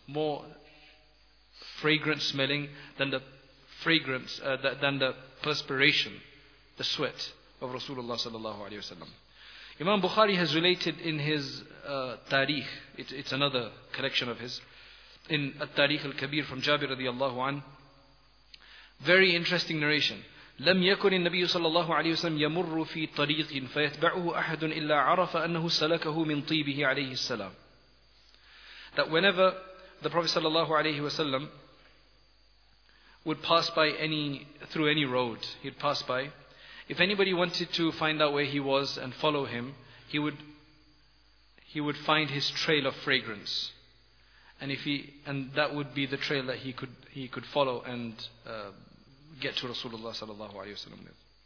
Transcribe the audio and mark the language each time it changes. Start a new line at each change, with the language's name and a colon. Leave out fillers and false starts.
English: More fragrant smelling than the fragrance than the perspiration, the sweat of Rasulullah sallallahu alaihi wasallam. Imam Bukhari has related in his Tariq, it's another collection of his, in At-Tariq Al-Kabir from Jabir radiallahu an, Very interesting narration.
Arabic: لم يكن النبي صلى الله عليه وسلم يمر في طريق فيتبعه أحد إلا عرف أنه سلكه من طيبه عليه السلام.
English: That whenever the Prophet صلى الله عليه وسلم would pass by through any road, he'd pass by. If anybody wanted to find out where he was and follow him, he would find his trail of fragrance, and that would be the trail that he could follow and get to Rasulullah sallallahu alayhi wa sallam with.